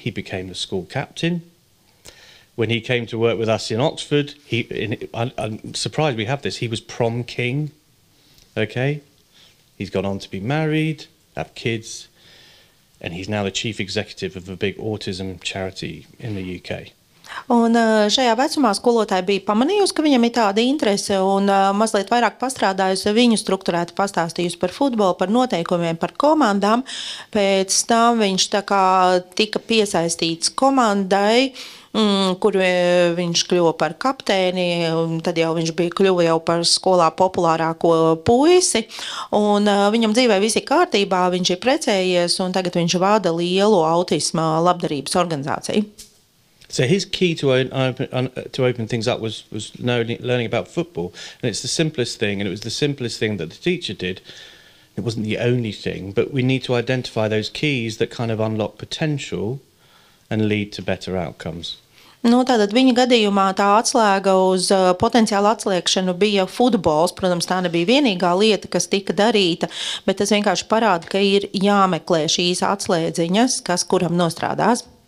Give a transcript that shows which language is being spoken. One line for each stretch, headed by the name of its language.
English: He became the school captain. When he came to work with us in Oxford, I'm surprised we have this, he was prom king, okay? He's gone on to be married, have kids, and he's now the chief executive of a big autism charity in the UK.
Latvian: Un šajā vecumā skolotāja bija pamanījusi, ka viņam ir tāda interese un mazliet vairāk pastrādājusi viņu strukturēti pastāstījusi par futbolu, par noteikumiem, par komandām. Pēc tam viņš tā kā tika piesaistīts komandai, kur viņš kļuva par kapteini, un tad jau viņš bija kļuva jau par skolā populārāko puisi, un viņam dzīvē visi kārtībā, viņš ir precējies, un tagad viņš vada lielu autisma labdarības organizāciju.
English: So his key to open things up was learning about football, and it's the simplest thing, and it was the simplest thing that the teacher did. It wasn't the only thing, but we need to identify those keys that kind of unlock potential and lead to better outcomes.
Latvian: Nu, tātad viņa gadījumā tā atslēga uz potenciālu atslēgšanu bija futbols. Protams, tā nebija vienīgā lieta, kas tika darīta, bet tas vienkārši parāda, ka ir jāmeklē šīs atslēdziņas, kas kuram nostrādās.